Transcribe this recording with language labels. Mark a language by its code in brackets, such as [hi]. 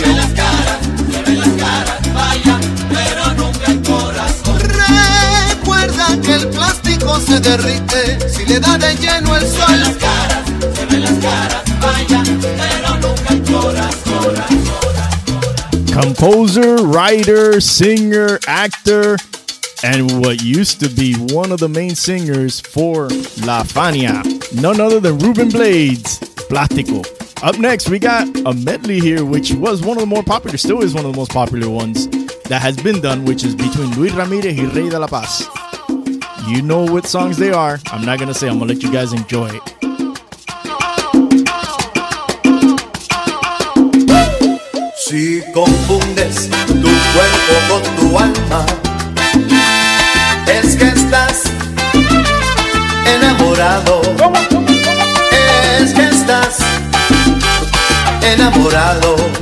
[es] Se ven las caras, vaya, pero nunca el corazón. Recuerda que el plástico se derrite si le da de lleno el sol. Se ven las caras, vaya, pero nunca el corazón. [en] Composer, writer, singer, actor, and what used to be one of the main singers for La Fania, none other than Ruben Blades, Plástico. Up next, we got a medley here, which was one of the more popular, still is one of the most popular ones that has been done, which is between Luis Ramírez and Rey de la Paz. You know what songs they are. I'm not going to say. I'm going to let you guys enjoy it. [es] Si confundes tu cuerpo con tu alma, es que estás enamorado. Es que estás enamorado.